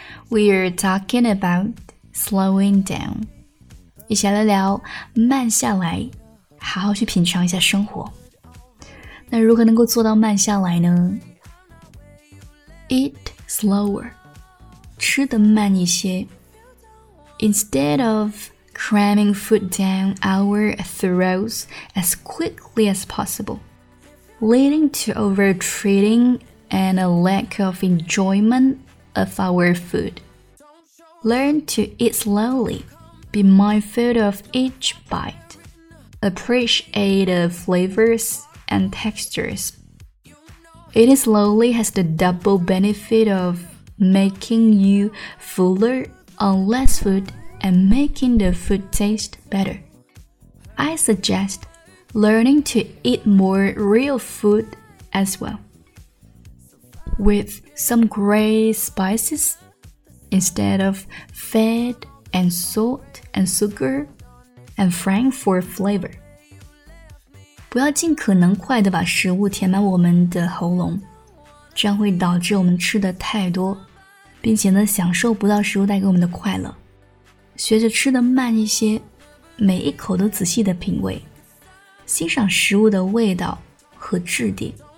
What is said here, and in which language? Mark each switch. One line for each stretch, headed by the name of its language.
English: We're talking about slowing down，
Chinese: 一起来聊慢下来，好好去品尝一下生活。那如何能够做到慢下来呢？
English: Eat slower，
Chinese: 吃得慢一些。
English: Instead of cramming food down our throats as quickly as possible, leading to overtreating and a lack of enjoyment of our food. Learn to eat slowly, be mindful of each bite, appreciate the flavors and textures. Eating slowly has the double benefit of making you fuller on less food. And making the food taste better. I suggest learning to eat more real food as well, with some great spices instead of fat and salt and sugar and frank for flavor.
Chinese: 不要尽可能快地把食物填满我们的喉咙，这样会导致我们吃得太多，并且呢享受不到食物带给我们的快乐。学着吃得慢一些，每一口都仔细地品味，欣赏食物的味道和质地。